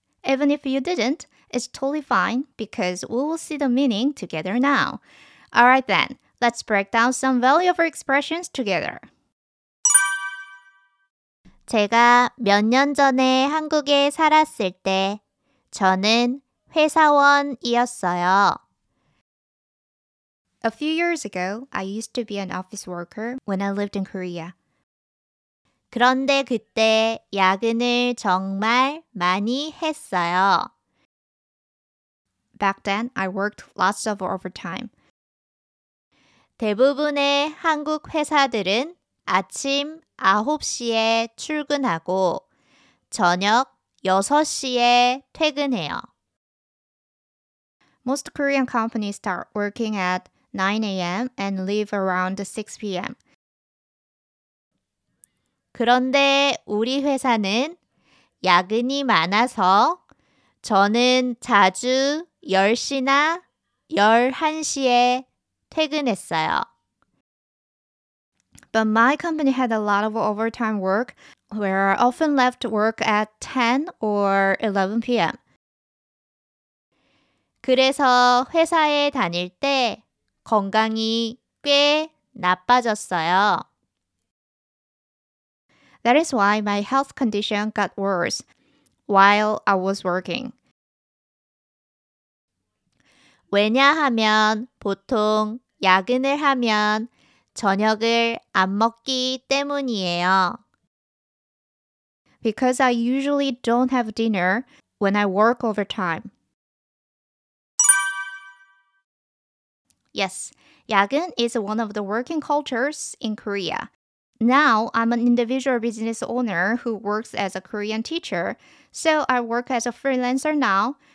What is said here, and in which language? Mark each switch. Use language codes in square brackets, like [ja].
[en] Even if you didn't, it's totally fine because we will see the meaning together now. Alright then, let's break down some valuable expressions together. [ko] 제가 몇 년 전에 한국에 살았을 때 저는 회사원이었어요. [en] A few years ago, I used to be an office worker when I lived in Korea. [ko] 그런데 그때 야근을 정말 많이 했어요. [en] Back then, I worked lots of overtime. [ko] 대부분의 한국 회사들은 아침 9시에 출근하고 저녁 6시에 퇴근해요. [en] Most Korean companies start working at 9 a.m. and leave around 6 p.m. [ko] 그런데 우리 회사는 야근이 많아서 저는 자주 10시나 11시에 퇴근했어요. [en] But my company had a lot of overtime work where I often left work at 10 or 11 p.m. [ko] 그래서 회사에 다닐 때 건강이 꽤 나빠졌어요. [en] That is why my health condition got worse while I was working. [ko] 왜냐하면 보통 야근을 하면 저녁을 안 먹기 때문이에요. [en] Because I usually don't have dinner when I work overtime. Yes, 야근 is one of the working cultures in Korea. Now, I'm an individual business owner who works as a Korean teacher, so I work as a freelancer now.